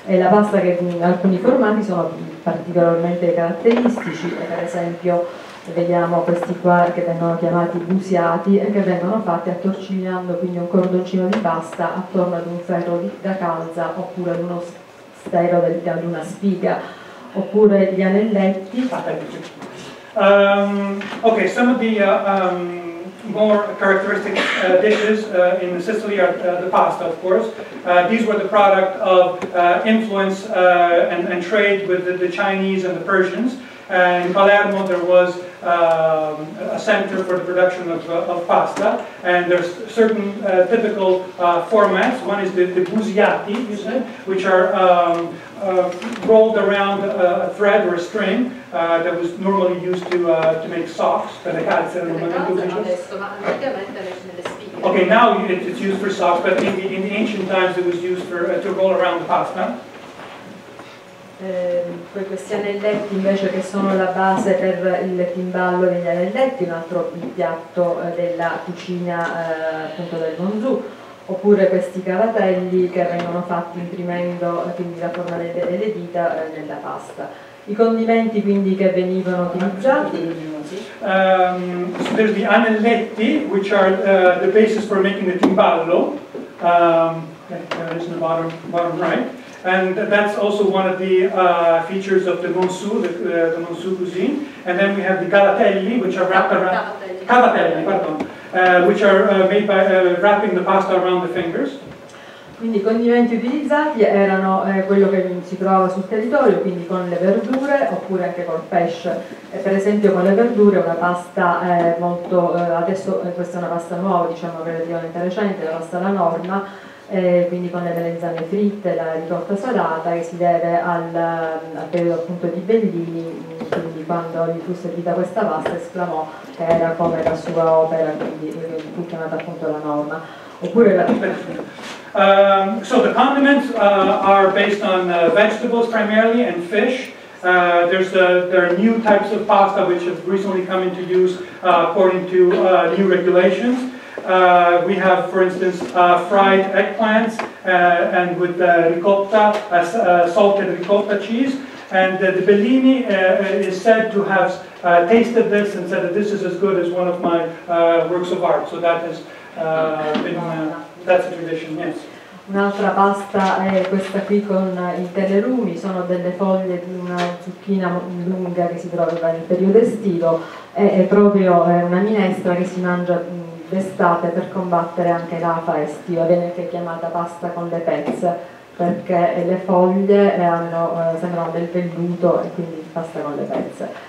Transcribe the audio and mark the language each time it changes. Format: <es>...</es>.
<it>E la pasta, che in alcuni formati sono particolarmente caratteristici, per esempio vediamo questi qua che vengono chiamati busiati e che vengono fatti attorcigliando quindi un cordoncino di pasta attorno ad un ferro da calza oppure ad uno stero ad una spiga oppure gli anelletti.</it> <en>Okay, some of the more characteristic dishes in Sicily are the pasta, of course. These were the product of influence and trade with the Chinese and the Persians. In Palermo there was a center for the production of pasta, and there's certain typical formats. One is the busiati, you said, which are rolled around a thread or a string that was normally used to make socks. Okay, now it's used for socks, but in the ancient times it was used for to roll around the pasta.</en> <it>Poi questi anelletti invece, che sono la base per il timballo degli anelletti, un altro piatto della cucina appunto del Gonzù. Oppure questi cavatelli, che vengono fatti imprimendo quindi la forma delle dita nella pasta. I condimenti quindi che venivano utilizzati.</it> <en>So there's the anelletti, which are the basis for making the timballo. It's in the bottom right. And that's also one of the features of the Monsù, the Monsù cuisine. And then we have the cavatelli, which are wrapped around which are made by wrapping the pasta around the fingers.</en> <it>Quindi i condimenti utilizzati erano quello che si trova sul territorio, quindi con le verdure oppure anche col pesce. E per esempio con le verdure, una pasta molto adesso questa è una pasta nuova, diciamo relativamente recente, la pasta alla norma. Quindi con le melanzane fritte, la ricotta salata, che si deve al periodo appunto di Bellini, quindi quando gli fu servita questa pasta esclamò che era come la sua opera, quindi fu chiamata appunto la norma. Oppure la...</it> <en>So the condiments are based on vegetables primarily and fish. There are new types of pasta which have recently come into use according to new regulations. We have, for instance, fried eggplants and with ricotta, salted ricotta cheese. And the Bellini is said to have tasted this and said that this is as good as one of my works of art. So that has been, that's a tradition, yes.</en> <it>Un'altra pasta è questa qui con i tenerumi, sono delle foglie di una zucchina lunga che si trova nel periodo estivo, è proprio una minestra che si mangia d'estate per combattere anche l'afa estiva, viene anche chiamata pasta con le pezze, perché le foglie hanno, sembrano del velluto e quindi pasta con le pezze.</it>